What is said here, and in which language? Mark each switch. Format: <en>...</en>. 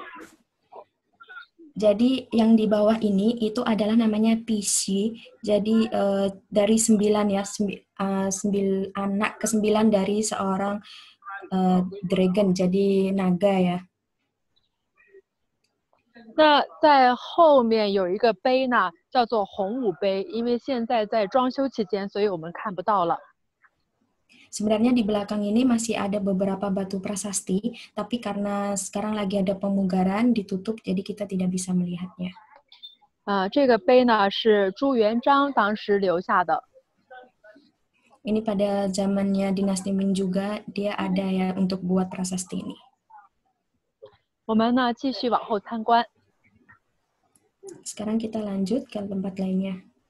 <zh>那后来我们是根据后来的拓片重新修复的。大家看一下下面的这个动物呢，叫做碧玺，它是龙的九个儿子其中之一啊，喜欢驮重的东西。</zh> <id>Jadi yang di bawah ini itu adalah namanya Pixi. Jadi dari sembilan ya, sembilan anak kesembilan dari seorang dragon, jadi naga ya.</id> <zh>那在后面有一个碑呢，叫做红五碑，因为现在在装修期间，所以我们看不到了。</zh> <id>Sebenarnya di belakang ini masih ada beberapa batu prasasti, tapi karena sekarang lagi ada pemugaran ditutup, jadi kita tidak bisa melihatnya.</id> <zh>这个碑呢是朱元璋当时留下的。</zh> <id>Ini pada zamannya dinasti Ming juga dia ada ya untuk buat prasasti ini.</id> <zh>我们呢继续往后参观。</zh> <id>Sekarang kita lanjut ke tempat lainnya.</id>